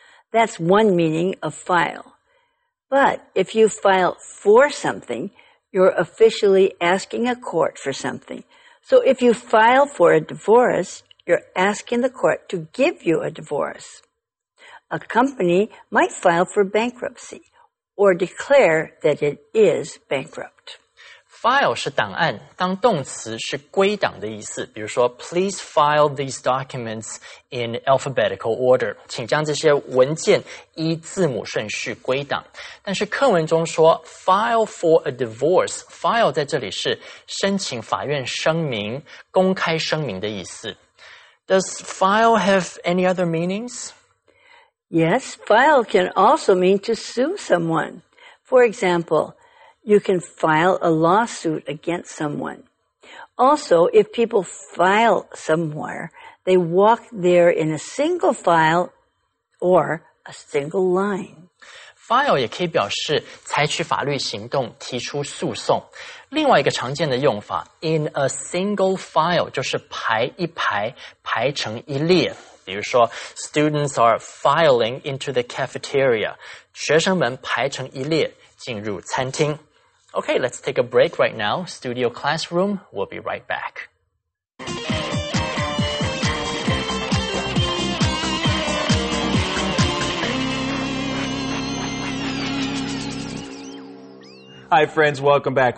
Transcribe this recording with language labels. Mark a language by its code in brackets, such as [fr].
[en] That's one meaning of file. But if you file for something, you're officially asking a court for something. So if you file for a divorce, you're asking the court to give you a divorce. A company might file for bankruptcy or declare that it is bankrupt. [zh] File 是档案，当动词是归档的意思。比如说 ， [en] Please file these documents in alphabetical order， [zh] 请将这些文件依字母顺序归档。但是课文中说 ， [en] file for a divorce， [zh] file 在这里是申请法院声明、公开声明的意思。 [en] Does file have any other meanings？ Yes， file can also mean to sue someone. For example。 You can file a lawsuit against someone. Also, if people file somewhere, they walk there in a single file or a single line. [zh] File 也可以表示采取法律行动，提出诉讼。另外一个常见的用法 , [en] in a single file, [zh] 就是排一排，排成一列。比如说 [en] ,students are filing into the cafeteria. [zh] 学生们排成一列进入餐厅。 [en] Okay, let's take a break right now. Studio Classroom, we'll be right back. Hi, friends. Welcome back.